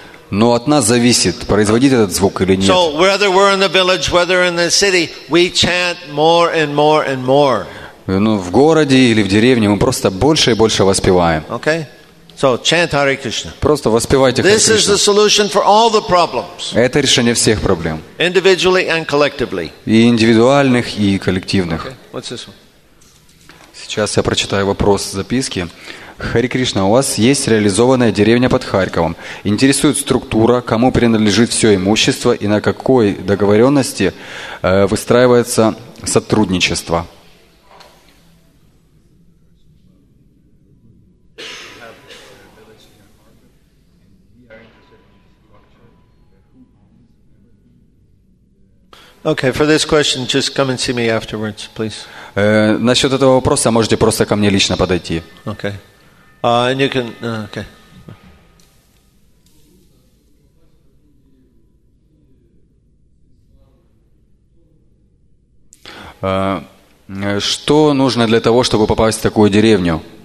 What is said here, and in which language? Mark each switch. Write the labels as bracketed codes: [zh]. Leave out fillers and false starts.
[ru] Но от нас зависит, производить этот звук или нет. [en] So whether we're in the village, whether in the city, we chant more and more and more. [ru] Ну, в городе или в деревне мы просто больше и больше воспеваем. [en] Okay. So chant Hare Krishna. [ru] Просто воспевайте Харе Кришну. [en] This is the solution for all the problems. [ru] Это решение всех проблем. [en] Individually and collectively. [ru] И индивидуальных, и коллективных. [en] Okay. What's this one? [ru] Сейчас я прочитаю вопрос записки. Харе Кришна, у вас есть реализованная деревня под Харьковом. Интересует структура, кому принадлежит все имущество и на какой договоренности выстраивается сотрудничество. [en] Okay, for this question, just come and see me afterwards, please. [ru] Насчет этого вопроса можете просто ко мне лично подойти. [en] Okay. And you can. Okay. [ru] Что нужно для того, чтобы попасть в такую деревню?